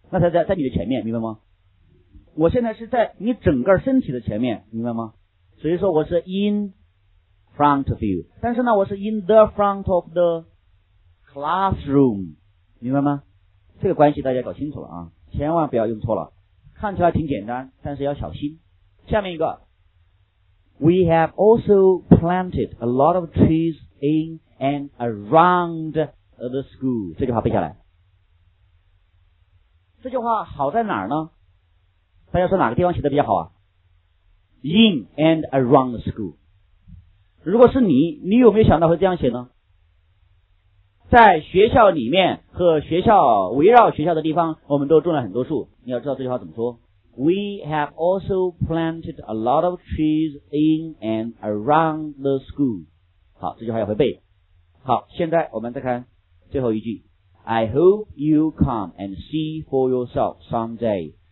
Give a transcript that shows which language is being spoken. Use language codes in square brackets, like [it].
[zh] 那才在你的前面，明白吗？我现在是在你整个身体的前面，明白吗？所以说我是 [en] in front of you， [zh] 但是呢，我是 [en] in the front of the classroom， [zh] 明白吗？这个关系大家搞清楚了啊，千万不要用错了。看起来挺简单，但是要小心。下面一个 [en] ，We have also planted a lot of trees in and around the school。 [zh] 这句话背下来。这句话好在哪儿呢？大家说哪个地方写的比较好啊 ？ [en] In and around the school。 [zh] 如果是你，你有没有想到会这样写呢？在学校里面和学校围绕学校的地方，我们都种了很多树。你要知道这句话怎么说。 [en] We have also planted a lot of trees in and around the school. [zh] 好，这句话要会背。好，现在我们再看最后一句。 [en] I hope you come and see for yourself someday.